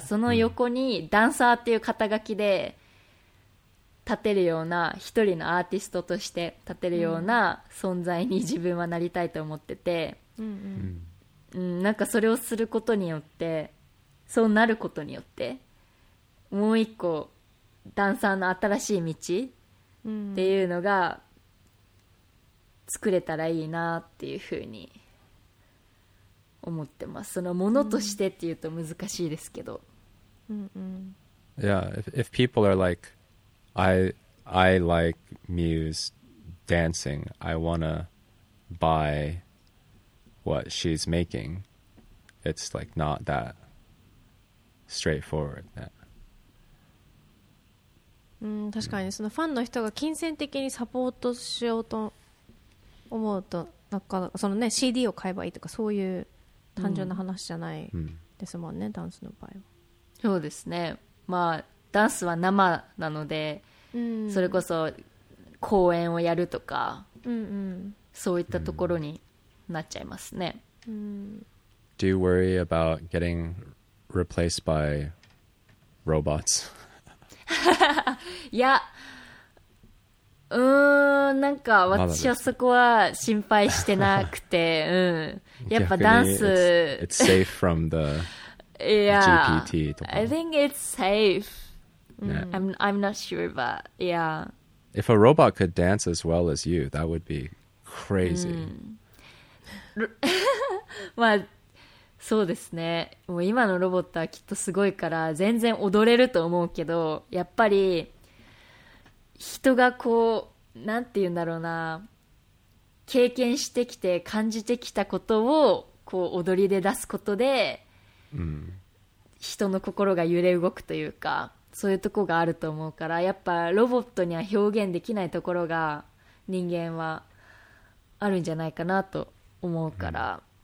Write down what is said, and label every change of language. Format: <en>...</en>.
<ja>その横にダンサーっていう肩書きで立てるような一人のアーティストとして立てるような存在に自分はなりたいと思ってて、なんかそれをすることによって、そうなることによってもう一個ダンサーの新しい道っていうのが作れたらいいなっていうふうに思ってます。そのものとしてっていうと難しいですけど、</ja> <en>Yeah, if people are like I like Muse dancing, I wanna buy what she's making, it's like not that straightforward that.</en> <ja>確かにそのファンの人が金銭的にサポートしようと思うと、なんかそのね CD を買えばいいとかそういう単純な話じゃないですもんね、ダンスの場合は。そうですね、まあダンスは生なので、それこそ公演をやるとか、そういったところになっちゃいますね。</ja> <en>Do you worry about getting replaced by robots?</en> <ja>いや、なんか私はそこは心配してなくて、やっぱダンス</ja> <en>it's safe from the GPT とか。 I think it's safe. I'm not sure, but yeah. If a robot could dance as well as you, that would be crazy.</en> <ja>まあそうですね、もう今のロボットはきっとすごいから全然踊れると思うけど、やっぱり人がこうなんて言うんだろうな、経験してきて感じてきたことをこう踊りで出すことで、人の心が揺れ動くというか、そういうとこがあると思うから、やっぱロボットには表現できないところが人間はあるんじゃないかなと思うから、</ja>